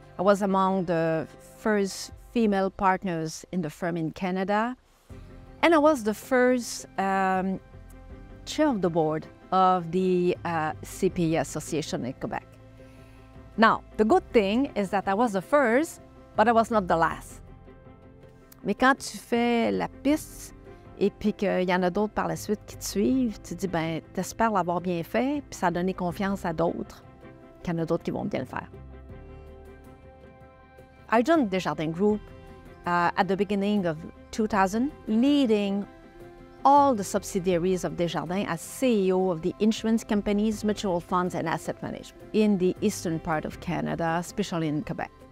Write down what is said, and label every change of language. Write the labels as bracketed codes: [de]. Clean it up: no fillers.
[en] I was among the first female partners in the firm in Canada. And I was the first chair of the board of the CPA Association in Quebec. Now, the good thing is that I was the first, but I was not the last. [fr] Mais quand tu fais la piste et puis qu'il y en a d'autres par la suite qui te suivent, tu dis, ben, t'espères l'avoir bien fait, puis ça a donné confiance à d'autres, qu'il y en a d'autres qui vont bien le faire. [en] I joined Desjardins Group at the beginning of 2000, leading all the subsidiaries of Desjardins as CEO of the insurance companies, mutual funds and asset management in the eastern part of Canada, especially in Quebec.